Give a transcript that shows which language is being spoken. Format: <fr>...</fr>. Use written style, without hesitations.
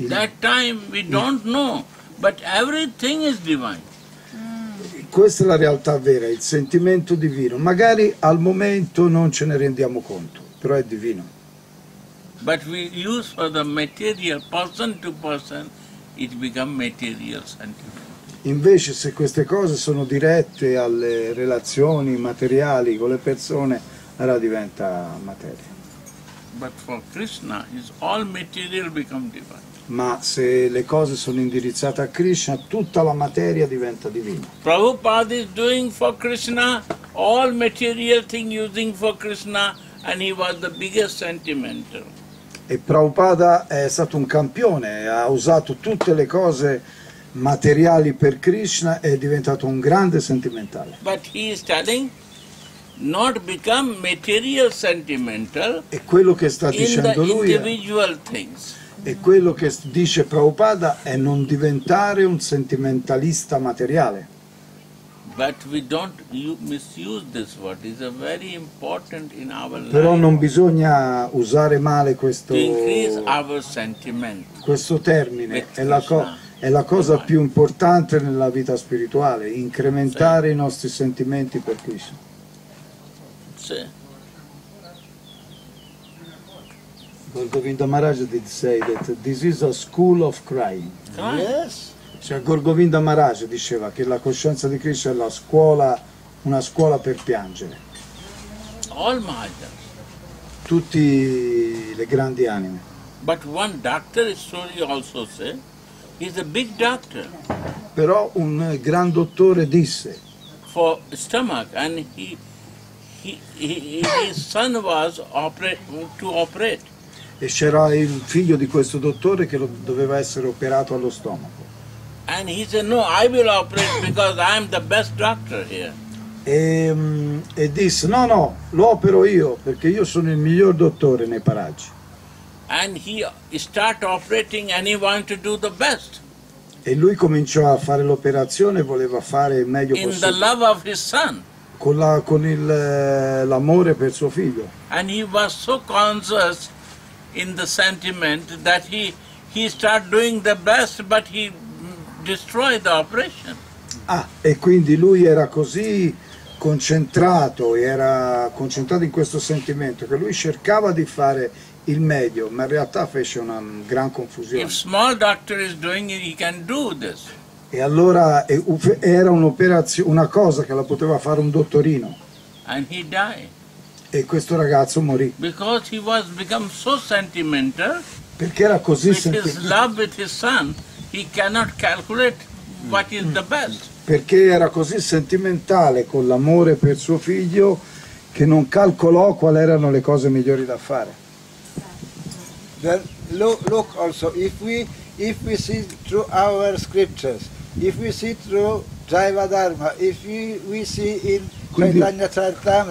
<en>That time we don't know, but everything is divine.</en> <it>Questa è la realtà vera, il sentimento divino. Magari al momento non ce ne rendiamo conto, però è divino.</it> <en>But we use for the material, person to person, it become material sentiment.</en> <it>Invece se queste cose sono dirette alle relazioni materiali con le persone, allora diventa materia.</it> <en>But for Krishna, it's all material become divine.</en> <it>Ma se le cose sono indirizzate a Krishna, tutta la materia diventa divina.</it> <en>Prabhupada is doing for Krishna all material thing using for Krishna and he was the biggest sentimental.</en> <it>E Prabhupada è stato un campione, ha usato tutte le cose materiali per Krishna e è diventato un grande sentimentale.</it> <en>But he is telling not become material sentimental.</en> <it>E quello che sta dicendo</it> <en>in the</en> <it>lui</it> <en>individual</en> <it>è...</it> <en>things.</en> <it>E quello che dice Prabhupada è non diventare un sentimentalista materiale.</it> <en>But we don't misuse this word. It's a very important in our life.</en> <it>Però non bisogna usare male questo.</it> <en>To increase our sentiment.</en> <it>Questo termine è la cosa più importante nella vita spirituale, incrementare i nostri sentimenti per Krishna. Sì.</it> <en>Gorgovinda Maharaj did say that this is a school of crying. Yes.</en> <it>Cioè Gorgovinda Maharaj diceva che la coscienza di Krishna è la scuola, una scuola per piangere.</it> <en>All Mahajan.</en> <it>Tutti le grandi anime.</it> <en>But one doctor story also say, He's a big doctor.</en> <it>Però un gran dottore disse.</it> <en>For stomach, and his son was to operate.</en> <it>E c'era il figlio di questo dottore che doveva essere operato allo stomaco.</it> <en>And he said, no, I will operate because I'm the best doctor here.</en> <it>E disse, no, lo opero io perché io sono il miglior dottore nei paraggi.</it> <en>And he start operating and he want to do the best.</en> <it>E lui cominciò a fare l'operazione e voleva fare il meglio in possibile.</it> <en>The love of his son.</en> <it>Con l'amore per suo figlio.</it> <en>And he was so conscious in the sentiment that he start doing the best, but he destroyed the operation.</en> <it>Ah, e quindi lui era così concentrato in questo sentimento che lui cercava di fare il meglio, ma in realtà fece una gran confusione.</it> <en>If small doctor is doing it, he can do this.</en> <it>E allora era un'operazione, una cosa che la poteva fare un dottorino.</it> <en>And he died.</en> <it>E questo ragazzo morì.</it> <en>Because he was become so sentimental.</en> <it>Perché era così sentimentale.</it> <en>With his love with his son, he cannot calculate what is the best.</en> <it>Perché era così sentimentale con l'amore per suo figlio che non calcolò quali erano le cose migliori da fare.</it> <en>Then look also if we see through our scriptures, if we see through Jaiva Dharma, if we see in Chaitanya Charitamrita.</en>